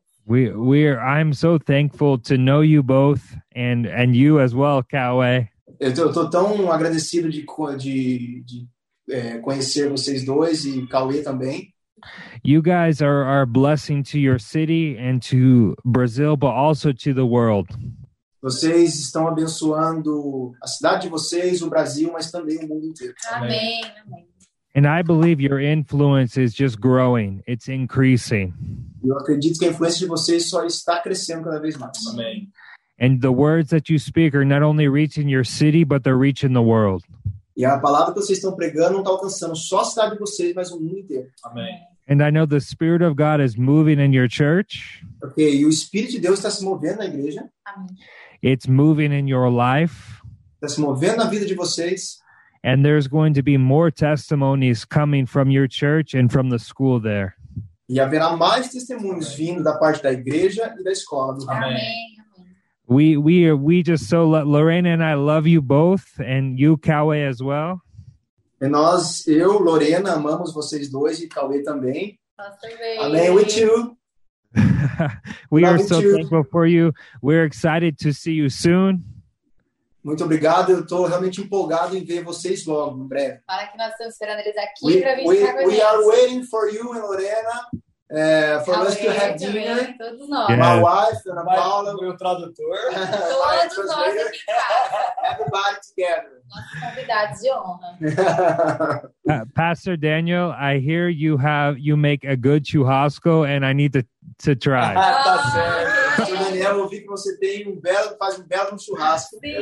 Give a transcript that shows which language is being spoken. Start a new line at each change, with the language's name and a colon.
English: I'm so thankful to know you both and you as well, Kaway.
Portuguese: Eu tô tão agradecido de conhecer vocês dois e Kaway também.
English: You guys are a blessing to your city and to Brazil, but also to the world.
Portuguese: Vocês estão abençoando a cidade de vocês, o Brasil, mas também o mundo inteiro. Amém. Amém.
English: And I believe your influence is just growing. It's increasing.
Portuguese: Eu acredito que a influência de vocês só está crescendo cada vez mais. Amém.
English: And the words that you speak are not only reaching your city, but they're reaching the world.
Portuguese: E a palavra que vocês estão pregando não está alcançando só a cidade de vocês, mas o mundo inteiro. Amém.
English: And I know the Spirit of God is moving in your church.
Portuguese: Okay, o Espírito de Deus está se movendo na igreja. Amém.
English: It's moving in your life.
Portuguese: Está se movendo na vida de vocês.
English: And there's going to be more testimonies coming from your church and from the school there.
Portuguese: E haverá mais testemunhos vindo da parte da igreja e da escola. Amém. Amém.
English: We just so love, Lorena and I love you both, and you, Kaway, as well.
Portuguese: E nós, eu, Lorena, amamos vocês dois e Kaway também. Nós também. Amém,
English: with you. We love are so you. Thankful for you. We're excited to see you soon.
Portuguese: Muito obrigado, eu estou realmente empolgado em ver vocês logo, em breve. Para que nós estamos esperando eles aqui para vir chegar com a gente.
English: We are waiting for you and Lorena, for us to have dinner.
Portuguese: Também, todos nós.
English: Yeah. My wife, Ana Paula.
Portuguese: Meu tradutor. Todos nós aqui em casa.
English: Everybody together.
Portuguese: Nossos convidados de honra.
English: Pastor Daniel, I hear you make a good churrasco and I need to try.
Portuguese: Tá certo. Daniel, eu ouvi que você tem faz um belo churrasco.